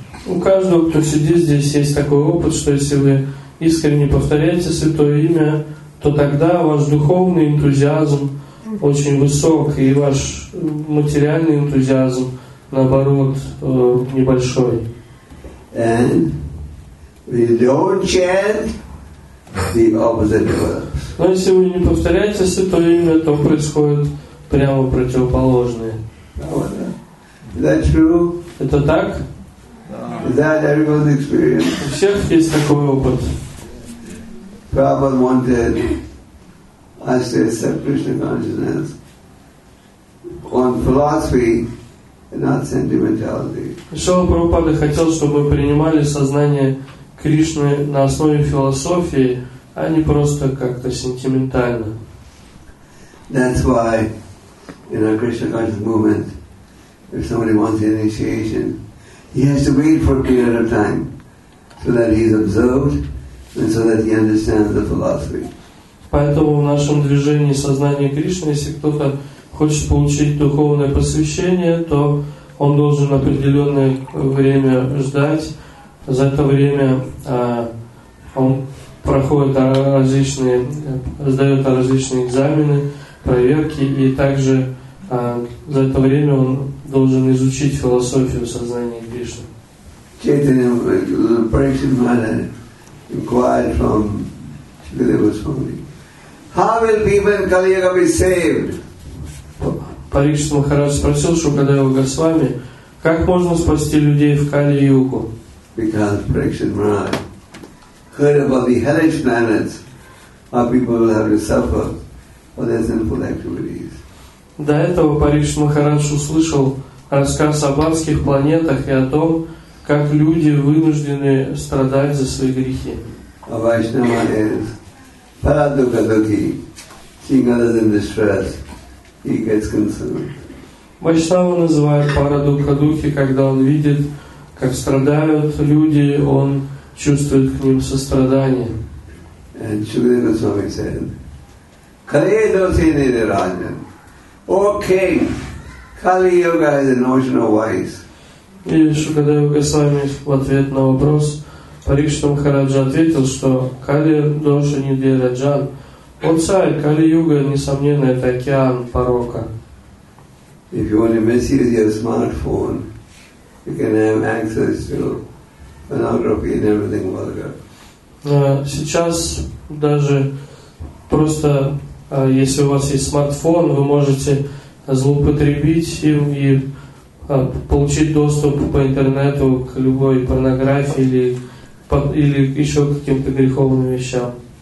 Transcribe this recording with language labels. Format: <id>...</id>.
<ru>У каждого, кто сидит здесь, есть такой опыт, что если вы искренне повторяете святое имя, то тогда ваш духовный энтузиазм очень высок, и ваш материальный энтузиазм наоборот, небольшой.</ru> <en>And we don't chant the opposite words.</en> <ru>Но если вы не повторяете святое имя, то происходит прямо противоположное.</ru> <en>Is that true?</en> <ru>Это так?</ru> <en>Is that everyone's experience?</en> <ru>У всех есть такой опыт.</ru> <en>Prabhupada wanted us to accept Krishna consciousness on philosophy.</en> <ru>Шрила Прабхупада хотел, чтобы мы принимали сознание Кришны на основе философии, а не просто как-то сентиментально.</ru> <en>That's why in our Krishna consciousness movement, if somebody wants initiation, he has to wait for a period of time so that he's observed and so that he understands the philosophy.</en> <ru>Поэтому в нашем движении сознание Кришны, если кто-то хочет получить духовное посвящение, то он должен определенное время ждать. За это время он проходит различные, сдает различные экзамены, проверки, и также за это время он должен изучить философию сознания Кришны.</ru> <en>Chaitanya Parikshit Maharaj inquired from Shukadeva Swami, how will people in Kali Yuga be saved?</en> <ru>Парикшит Махарадж спросил Шукадева Госвами, как можно спасти людей в Кали-Югу?</ru> <en>Because Parikshit Maharaj heard about the hellish planets, how people will have to suffer for their sinful activities.</en> <ru>До этого Парикшит Махарадж услышал рассказ об адских планетах и о том, как люди вынуждены страдать за свои грехи.</ru> <en>A Vaishnava is paradukaduki, seeing others in distress, he gets concerned.</en> <ru>Vaishnava называет парадукадуки, когда он видит, как страдают люди, он чувствует к ним сострадание.</ru> <en>And Shukadeva Swami said, Kaleidosi Nidirajan, O King, Kali Yuga is an ocean of vice.</en> <ru>И Шукадева Госвами в ответ на вопрос Парикшит Махараджа ответил, что Кали Доша Нидираджан, о царь, Кали Юга, несомненно, это океан порока.</ru> <en>If you want to message your smartphone, you can have access to pornography and everything vulgar.</en> <ru>Сейчас даже просто если у вас есть смартфон, вы можете злоупотребить им и получить доступ по интернету к любой порнографии или, или еще к каким-то греховным вещам.</ru>